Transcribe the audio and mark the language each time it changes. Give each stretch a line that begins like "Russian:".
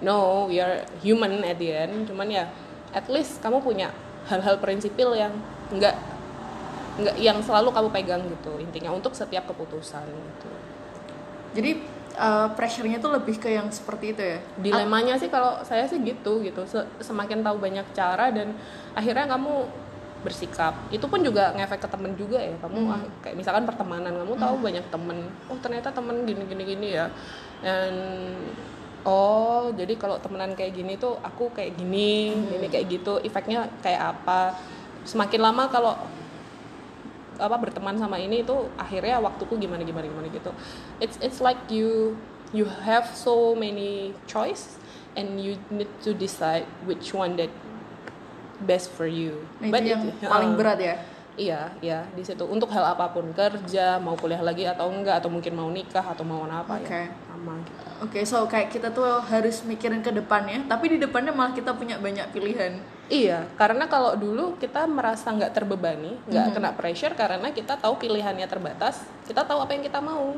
English: No, we are human at the end.
Indonesian: Cuman ya
English: at least
Indonesian: kamu punya hal-hal prinsipil yang enggak yang selalu kamu pegang gitu intinya untuk setiap keputusan gitu. Jadi pressure-nya tuh lebih ke yang seperti itu ya. Dilemanya sih kalau saya sih gitu. Semakin tahu banyak cara dan akhirnya kamu bersikap. Itu pun juga ngefek ke teman juga ya. Kamu kayak misalkan pertemanan, kamu tahu banyak teman. Oh, ternyata teman gini ya. Dan oh, jadi kalau temenan kayak gini tuh aku kayak gini, ini kayak gitu, efeknya kayak apa? Semakin lama kalau apa berteman sama ini itu akhirnya waktuku gimana gitu.
English: It's like you have so many choice and you need to decide which one that best for you.
Indonesian: Nah, but itu yang paling berat ya. Iya, di situ untuk hal apapun, kerja, mau kuliah lagi atau enggak atau mungkin mau nikah atau mau apa okay. Ya. Sama gitu. Oke,
English: okay, so
Indonesian: kayak kita tuh harus mikirin ke depannya, tapi di depannya malah kita punya banyak pilihan. Iya, karena kalau dulu kita merasa nggak terbebani, nggak kena pressure karena kita tahu pilihannya terbatas, kita tahu apa yang kita mau.